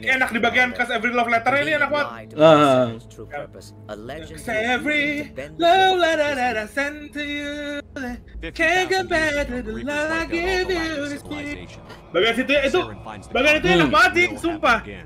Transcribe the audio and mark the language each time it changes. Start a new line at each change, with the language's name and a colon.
Indonesian: Ini enak di bagian kas
English: every love letter
Indonesian: ini enak banget.
English: True purpose. A legend. Every love letter that I send to you. Can't compare to the love I give you.
Indonesian: Bagian situ itu, bagian itu enak banget, sumpah.